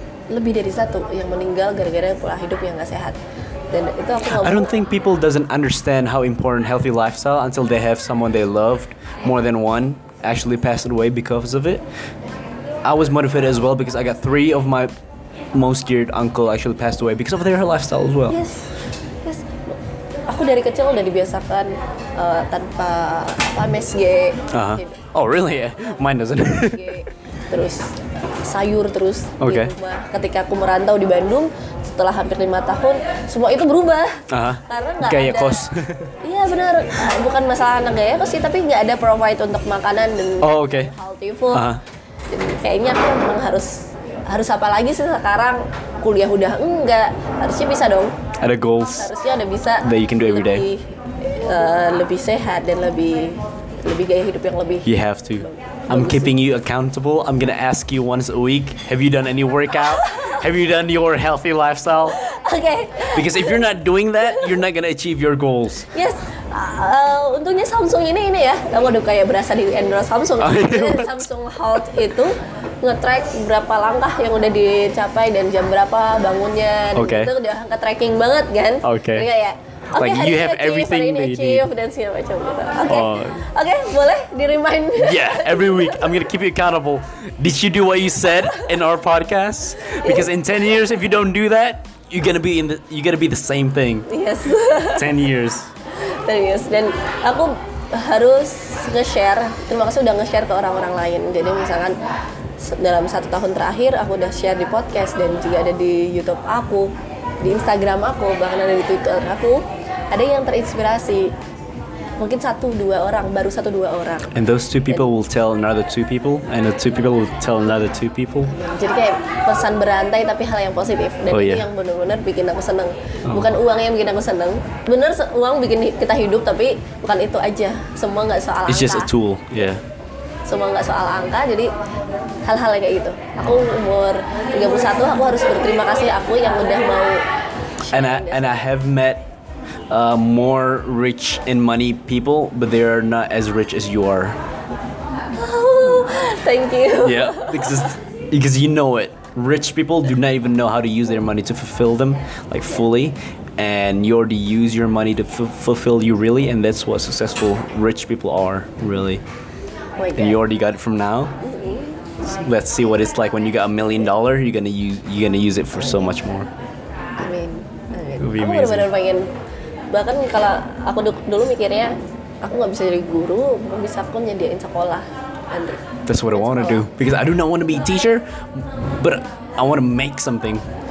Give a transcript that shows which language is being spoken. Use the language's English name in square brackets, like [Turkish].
[Indonesian] Lebih dari satu yang meninggal gara-gara pola hidup yang enggak sehat. Dan itu aku [English] I don't think people doesn't understand how important healthy lifestyle until they have someone they loved more than one actually passed away because of it. I was motivated as well because I got 3 of my most dear uncle actually passed away because of their lifestyle as well. Yes. [Indonesian] Aku dari kecil udah dibiasakan tanpa apa MSG. [English] Uh-huh. Oh really? Yeah. Mine doesn't. [Indonesian] Terus sayur terus. [English] Okay. [Indonesian] Di rumah. Ketika aku merantau di Bandung setelah hampir 5 tahun, semua itu berubah. Uh-huh. Karena enggak ada gaya kos. Iya benar. Bukan masalah anak gaya kos sih, tapi enggak ada provide untuk makanan dan healthy food. Uh-huh. Kayaknya aku memang harus apa lagi sih sekarang, kuliah udah enggak, harusnya bisa dong. Ada goals. Harusnya ada bisa. [English] That you can do every day. [Indonesian] Lebih sehat dan lebih gaya hidup yang lebih. [English] You have to. I'm keeping you accountable. I'm gonna ask you once a week. Have you done any workout? Have you done your healthy lifestyle? Okay. Because if you're not doing that, you're not gonna achieve your goals. [Indonesian] Yes. Untungnya Samsung ini ya, waduh kayak berasa di endorse Samsung. Oh, iya. Samsung Health itu nge-track berapa langkah yang udah dicapai dan jam berapa bangunnya. [English] Okay. [Indonesian] Itu udah angka tracking banget kan. Oke. Okay. Iya ya. Okay, [English] like you have everything achieve, that you need. [Indonesian] Achieve, dan segala macam gitu. Okay, [English] boleh di remind. Yeah, every week I'm gonna keep you accountable. Did you do what you said in our podcast? Because in 10 years if you don't do that, you're gonna be the same thing. Yes. 10 years. [Indonesian] Serius, dan aku harus nge-share, terima kasih udah nge-share ke orang-orang lain. Jadi misalkan dalam satu tahun terakhir aku udah share di podcast dan juga ada di YouTube aku, di Instagram aku, bahkan ada di Twitter aku. Ada yang terinspirasi, mungkin satu dua orang, baru satu dua orang. [English] And those two people will tell another two people, and the two people will tell another two people. [Indonesian] Jadi kayak pesan berantai tapi hal yang positif. Dan [English] oh, yeah. [Indonesian] Ini yang benar-benar bikin aku seneng. Oh. Bukan uang yang bikin aku seneng. Bener, uang bikin kita hidup tapi bukan itu aja. Semua nggak soal angka. [English] It's just a tool, yeah. [Indonesian] Semua nggak soal angka, jadi hal-hal kayak gitu. Aku umur 31, aku harus berterima kasih aku yang udah mau. [English] And I have met more rich in money people, but they are not as rich as you are. Oh, thank you. Yeah, because you know it. Rich people do not even know how to use their money to fulfill them, like fully. And you already use your money to fulfill you really, and that's what successful rich people are, really. Oh, and you already got it from now. Mm-hmm. So let's see what it's like when you got $1 million, you're gonna use it for so much more. I mean, it would be amazing. [Indonesian] Bahkan kalau aku dulu mikirnya aku nggak bisa jadi guru, mungkin bisa aku nyediain sekolah nanti. [English] That's what I want to do because I do not want to be a teacher, but I want to make something.